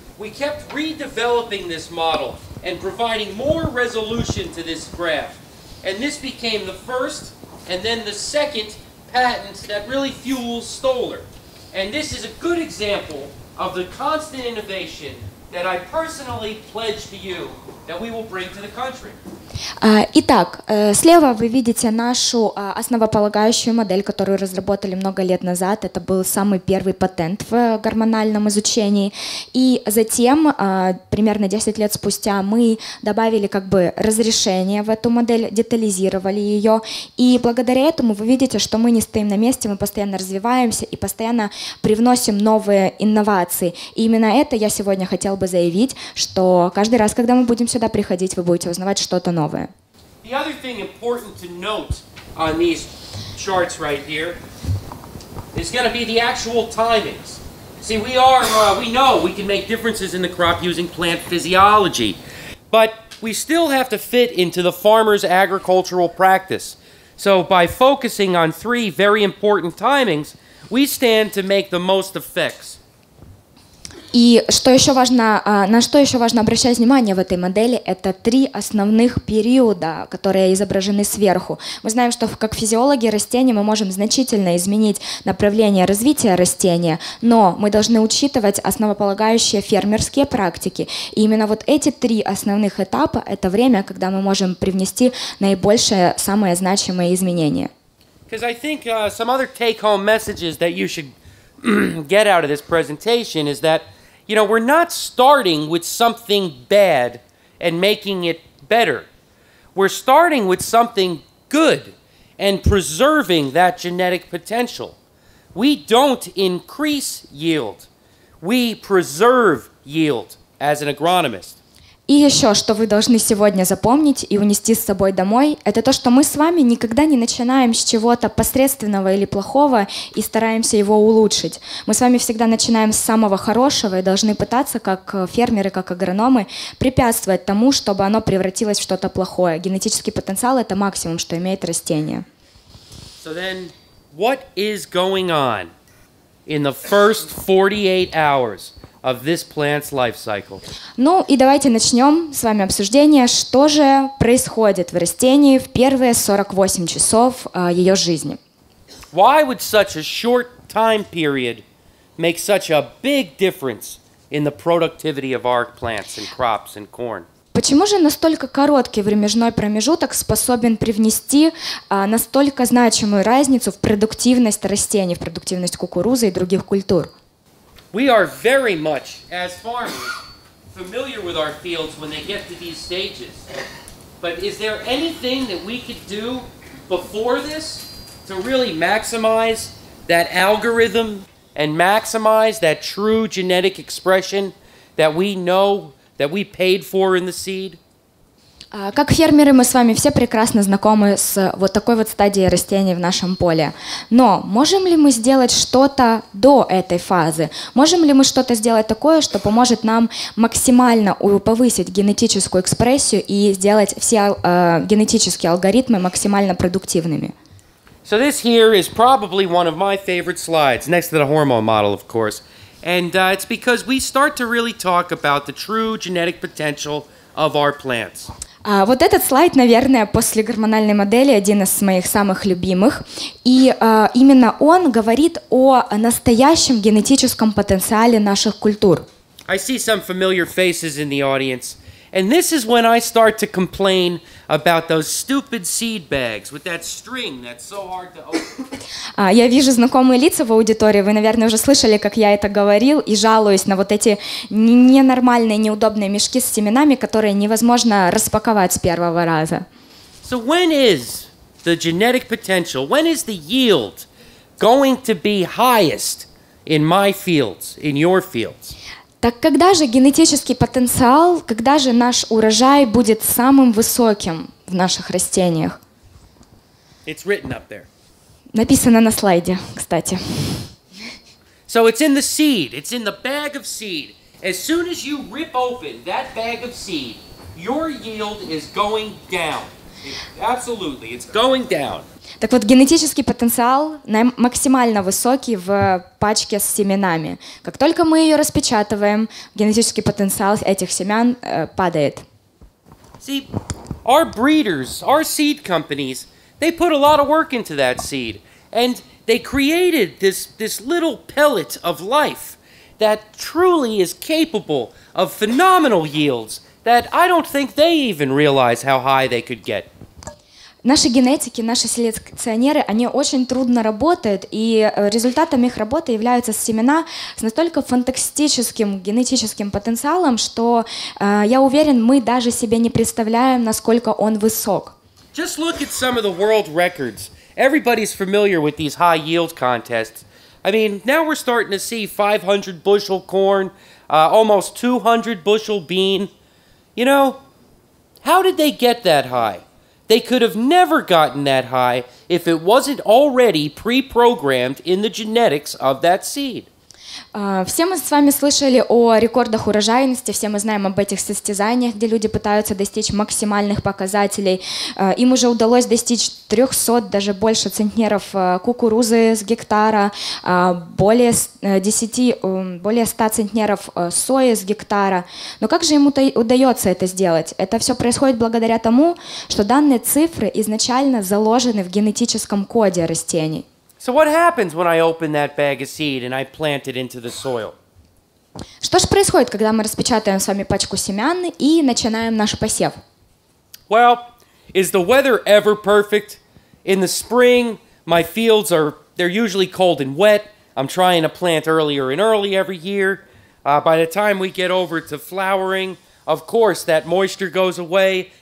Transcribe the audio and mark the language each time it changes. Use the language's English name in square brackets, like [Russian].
[English] We kept redeveloping this model and providing more resolution to this graph. And this became the first and then the second patent that really fuels Stoller. And this is a good example of the constant innovation that I personally pledge to you that we will bring to the country. [Russian] Итак, слева вы видите нашу основополагающую модель, которую разработали много лет назад. Это был самый первый патент в гормональном изучении. И затем, примерно 10 лет спустя, мы добавили как бы разрешение в эту модель, детализировали ее. И благодаря этому вы видите, что мы не стоим на месте, мы постоянно развиваемся и постоянно привносим новые инновации. И именно это я сегодня хотел бы заявить, что каждый раз, когда мы будем сюда приходить, вы будете узнавать что-то новое. [English] The other thing important to note on these charts right here is going to be the actual timings. See, we know we can make differences in the crop using plant physiology, but we still have to fit into the farmer's agricultural practice. So by focusing on three very important timings, we stand to make the most effects. [Russian] И что еще важно, на что еще важно обращать внимание в этой модели, это три основных периода, которые изображены сверху. Мы знаем, что как физиологи растений мы можем значительно изменить направление развития растения, но мы должны учитывать основополагающие фермерские практики. И именно вот эти три основных этапа – это время, когда мы можем привнести наибольшие, самые значимые изменения. [English] Because I think some other take-home messages that you should get out of this presentation is that, you know, we're not starting with something bad and making it better. We're starting with something good and preserving that genetic potential. We don't increase yield. We preserve yield as an agronomist. [Russian] И еще, что вы должны сегодня запомнить и унести с собой домой, это то, что мы с вами никогда не начинаем с чего-то посредственного или плохого и стараемся его улучшить. Мы с вами всегда начинаем с самого хорошего и должны пытаться, как фермеры, как агрономы, препятствовать тому, чтобы оно превратилось в что-то плохое. Генетический потенциал – это максимум, что имеет растение. [English] So then, what is going on in the first 48 hours? Of this plant's life cycle. [Russian] Ну и давайте начнем с вами обсуждение, что же происходит в растении в первые 48 часов ее жизни. [English] Why would such a short time period make such a big difference in the productivity of our plants and crops and corn? [Russian] Почему же настолько короткий времежной промежуток способен привнести настолько значимую разницу в продуктивность растений, в продуктивность кукурузы и других культур? [English] We are very much, as farmers, familiar with our fields when they get to these stages. But is there anything that we could do before this to really maximize that algorithm and maximize that true genetic expression that we know that we paid for in the seed? [Russian] Как фермеры, мы с вами все прекрасно знакомы с вот такой вот стадией растений в нашем поле. Но можем ли мы сделать что-то до этой фазы? Можем ли мы что-то сделать такое, что поможет нам максимально повысить генетическую экспрессию и сделать все генетические алгоритмы максимально продуктивными? [English] So this here is probably one of my favorite slides, next to the hormone model, of course. And it's because we start to really talk about the true genetic potential of our plants. [Russian] Вот этот слайд, наверное, после гормональной модели один из моих самых любимых. И именно он говорит о настоящем генетическом потенциале наших культур. [English] I see some familiar faces in the audience. And this is when I start to complain about those stupid seed bags with that string that's so hard to open. [Russian] Я вижу знакомые лица в аудитории. Вы, наверное, уже слышали, как я это говорил, и жалуюсь на вот эти ненормальные, неудобные мешки с семенами, которые невозможно распаковать с первого раза. [English] So when is the genetic potential, when is the yield going to be highest in my fields, in your fields? [Russian] Так когда же генетический потенциал, когда же наш урожай будет самым высоким в наших растениях? [English] It's written up there. [Russian] Написано на слайде, кстати. [English] So it's in the seed, it's in the bag of seed. As soon as you rip open that bag of seed, your yield is going down. Absolutely, it's going down. [Russian] Так вот, генетический потенциал максимально высокий в пачке с семенами. Как только мы ее распечатываем, генетический потенциал этих семян падает. [English] See, our breeders, our seed companies, they put a lot of work into that seed. And they created this little pellet of life that truly is capable of phenomenal yields that I don't think they even realize how high they could get. [Russian] Наши генетики, наши селекционеры, они очень трудно работают, и результатом их работы являются семена с настолько фантастическим генетическим потенциалом, что, я уверен, мы даже себе не представляем, насколько он высок. [English] Just look at some of the world records. Everybody's familiar with these high yield contests. I mean, now we're starting to see 500 bushel corn, almost 200 bushel bean. You know, how did they get that high? They could have never gotten that high if it wasn't already pre-programmed in the genetics of that seed. [Russian] Все мы с вами слышали о рекордах урожайности, все мы знаем об этих состязаниях, где люди пытаются достичь максимальных показателей. Им уже удалось достичь 300, даже больше центнеров кукурузы с гектара, более 100 центнеров сои с гектара. Но как же им удается это сделать? Это все происходит благодаря тому, что данные цифры изначально заложены в генетическом коде растений. [English] So what happens when I open that bag of seed and I plant it into the soil? [Russian] Что же происходит, когда мы распечатываем с вами пачку семян и начинаем наш посев? [English] Well, is the weather ever perfect? In the spring, my fields are, they're usually cold and wet. I'm trying to plant earlier and early every year. By the time we get over to flowering, of course, that moisture goes away.